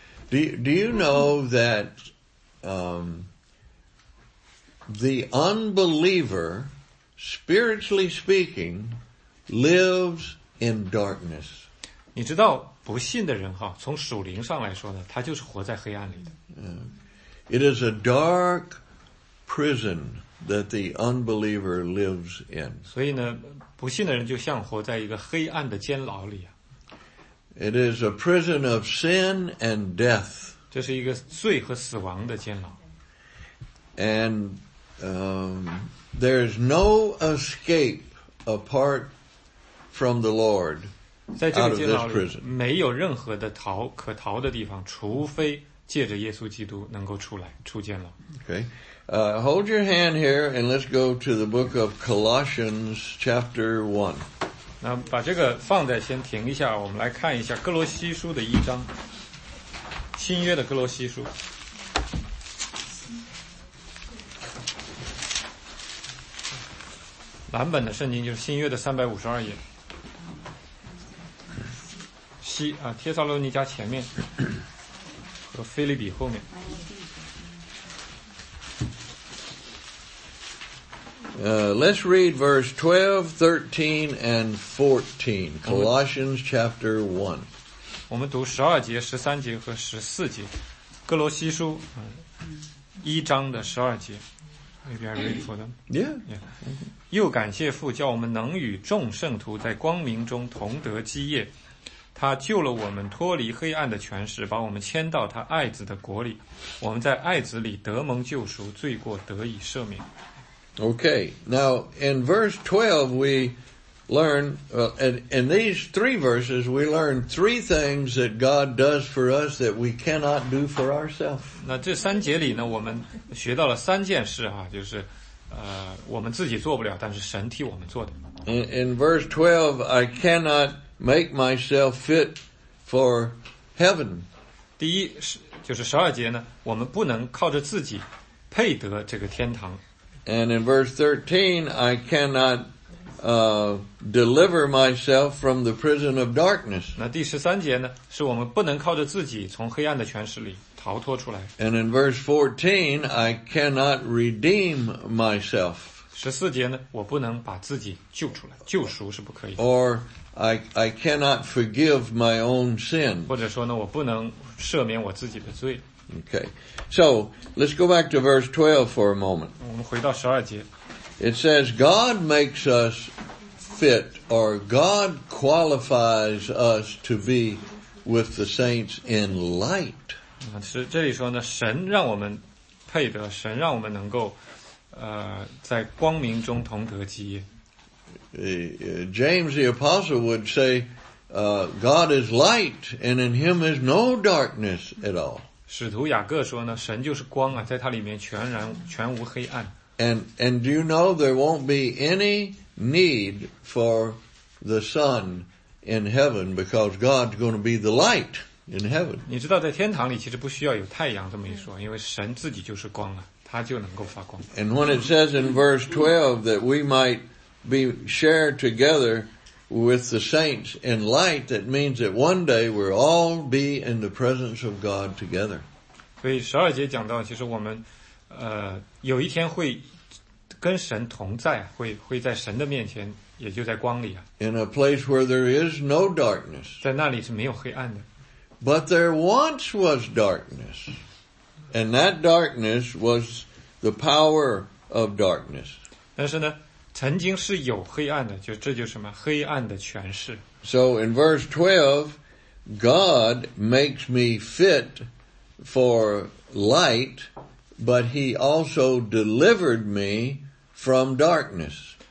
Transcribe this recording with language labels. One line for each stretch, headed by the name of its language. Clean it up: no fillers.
English: Do you know that the unbeliever, spiritually speaking, lives in darkness?
Chinese: 你知道不信的人哈，从属灵上来说呢，他就是活在黑暗里的。
English: It is a dark prison that the unbeliever lives in.
Chinese: 所以呢，不信的人就像活在一个黑暗的监牢里啊。
English: It is a prison of sin and death.
Chinese: 这是一个罪和死亡的监牢。
English: And there is no escape apart from the Lord.
Chinese: 在这个监牢里没有任何的逃可逃的地方，除非借着耶稣基督能够出来出监牢。
English: Okay, hold your hand here and let's go to the book of Colossians chapter 1.
Chinese: 那把这个放在先停一下，我们来看一下哥罗西书的一章，新约的哥罗西书。蓝本的圣经就是新约的352页。帖撒罗尼迦前面和腓立比后面。
English: Let's read verse 12, 13, and 14, Colossians chapter 1.
Chinese: 我们读12节、13节和14节，哥罗西书一章的12节。
English: Maybe I read for them. Yeah.
Chinese: 又感谢父，叫我们能与众圣徒在光明中同得基业。他救了我们脱离黑暗的权势，把我们迁到他爱子的国里，我们在爱子里得蒙救赎，罪过得以赦免。
English: Okay, now in verse 12 we learn, in these three verses, we learn three things that God does for us that we cannot do for ourselves.
Chinese: 那这三节里呢，我们学到了三件事哈，就是我们自己做不了，但是神替我们做的。
English: In verse 12, I cannot make myself fit for heaven.
Chinese: 第一就是十二节呢，我们不能靠着自己配得这个天堂。
English: And in verse 13, I cannot deliver myself from the prison of darkness.
Chinese: 那第十三节呢，是我们不能靠着自己从黑暗的权势里逃脱出来。
English: And in verse 14, I cannot redeem myself.
Chinese: 十四节呢，我不能把自己救出来，救赎是不可以的。
English: Or I cannot forgive my own sin.
Chinese: 或者说呢，我不能赦免我自己的罪。
English: Okay, so let's go back to verse 12 for a moment.
Chinese: 我们回到十二节。
English: It says God makes us fit, or God qualifies us to be with the saints in light.
Chinese: 是这里说呢，神让我们配得，神让我们能够，在光明中同得基业。
English: James the apostle would say, "God is light, and in Him is no darkness at all."
Chinese: 使徒雅各说呢，神就是光啊，在他里面全无黑暗。
English: And do you know there won't be any need for the sun in heaven because God's going to be the light in heaven.
Chinese: 你知道在天堂里其实不需要有太阳这么一说，因为神自己就是光啊，他就能够发光。
English: And when it says in verse 12 that we might be shared together with the saints in light, that means that one day we'll all be in the presence of God together.
Chinese: 所以十二节讲到，其实我们有一天会跟神同在，会在神的面前，也就在光里啊。
English: In a place where there is no darkness.
Chinese: 在那里是没有黑暗的。
English: But there once was darkness. And that darkness was the power of darkness.
Chinese: 但是呢，曾经是有黑暗的，就这就是什么？黑暗的权势。
English: So in verse 12, God makes me fit for light. But he also delivered me from darkness.